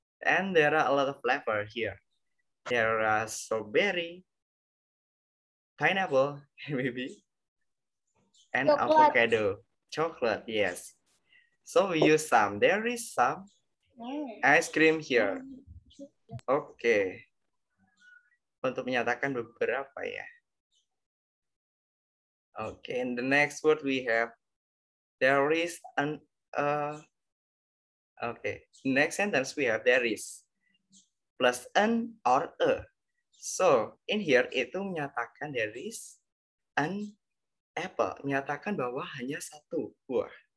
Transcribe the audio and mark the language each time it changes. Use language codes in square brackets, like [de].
[en] And there are a lot of flavor here. There are strawberry, pineapple, maybe. And chocolate. Avocado. Chocolate, yes. So we use some. There is some. Ice cream here. Oke. [id] Untuk menyatakan beberapa ya. [en] Oke, in the next word we have there is an next sentence we have there is plus an or a. [id] So, in here itu menyatakan [en] there is an apple, [id] menyatakan bahwa hanya satu buah.